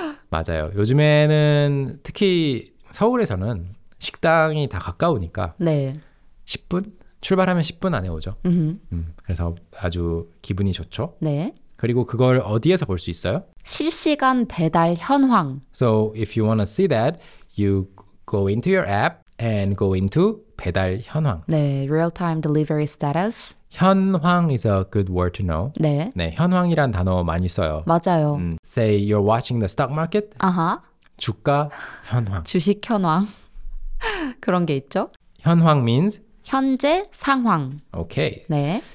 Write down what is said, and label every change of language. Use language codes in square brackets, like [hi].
[ko] 맞아요. 요즘에는 특히 서울에서는 식당이 다 가까우니까 네. 10분? 출발하면 10분 안에 오죠. 그래서 아주 기분이 좋죠. 네. 그리고 그걸 어디에서 볼 수 있어요? 실시간 배달 현황. [en] So if you want to see that, you go into your app and go into [ko] 배달 현황. 네, [en] real-time delivery status. [ko] 현황 [en] is a good word to know. [ko] 네. 네, 현황이란 단어 많이 써요. 맞아요. [en] Say you're watching the stock market. [ko] 아하. 주가 현황. 주식 현황. 그런 게 있죠. 현황 [en] means [ko] 현재 상황. 오케이. 네.